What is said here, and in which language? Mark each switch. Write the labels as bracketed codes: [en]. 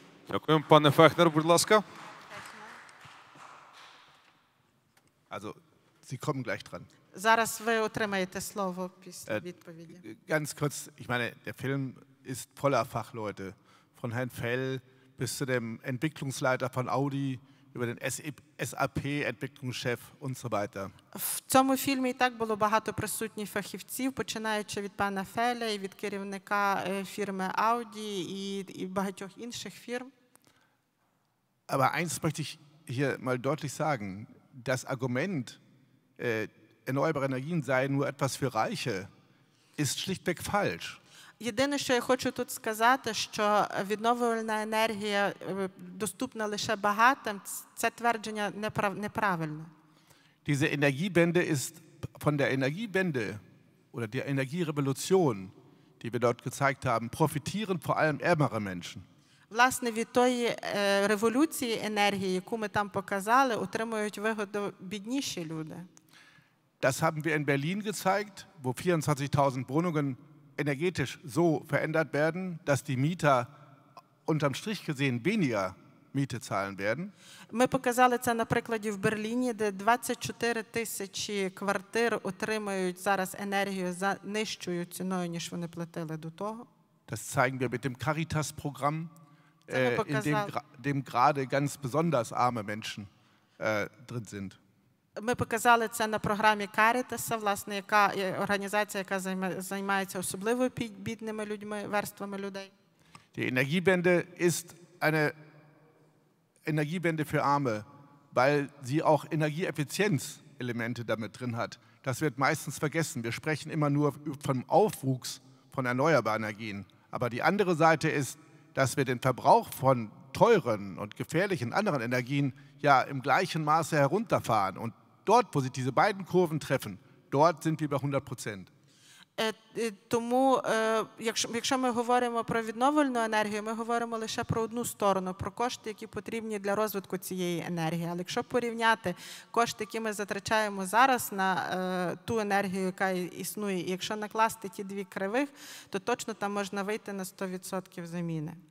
[uk] Дякуємо, пане Фехнер, будь ласка. [de] Also, Sie kommen gleich dran. [uk] Зараз ви отримаєте слово після відповіді. [de] Ganz kurz, ich meine, der Film ist voller Fachleute. Von Herrn Fell bis zu dem Entwicklungsleiter von Audi über den SAP-Entwicklungschef und so weiter. [uk] В цьому фільмі і так було багато присутніх фахівців, починаючи від пана Фелля і від керівника фірми Audi і багатьох інших фірм. [de] Aber eins möchte ich hier mal deutlich sagen. Das Argument, erneuerbare Energien seien nur etwas für Reiche, ist schlichtweg falsch. [uk] Єдине, що я хочу тут сказати, що відновлювальна енергія доступна лише багатим, це твердження неправильне. [de] Diese Energiewende ist von der Energiewende oder der Energierevolution, die wir dort gezeigt haben, profitieren vor allem ärmere Menschen. [uk] Власне, від тої революції енергії, яку ми там показали, отримують вигоду бідніші люди. [de] Das haben wir in Berlin gezeigt, wo 24.000 Wohnungen energetisch so verändert werden, dass die Mieter unterm Strich gesehen weniger Miete zahlen werden. [uk] Ми показали це на прикладі в Берліні, де 24 тисячі квартир отримують зараз енергію за нижчою ціною, ніж вони платили до того. [de] Das zeigen wir mit dem Caritas-Programm, in dem gerade ganz besonders arme Menschen drin sind. [uk] Ми показали це на програмі Caritas, власне, яка організація, яка займається особливо бідними людьми, верствами людей. [de] Die Energiewende ist eine Energiewende für Arme, weil sie auch Energieeffizienzelemente damit drin hat. Das wird meistens vergessen. Wir sprechen immer nur vom Aufwuchs von erneuerbaren Energien. Aber die andere Seite ist, dass wir den Verbrauch von teuren und gefährlichen anderen Energien ja im gleichen Maße herunterfahren und dort, wo sich diese beiden Kurven treffen, dort sind wir bei 100%. [uk] Тому, якщо ми говоримо про відновлену енергію, ми говоримо лише про одну сторону, про кошти, які потрібні для розвитку цієї енергії. Але якщо порівняти кошти, які ми затрачаємо зараз на ту енергію, яка існує, і якщо накласти ті дві кривих, то точно там можна вийти на 100% заміни.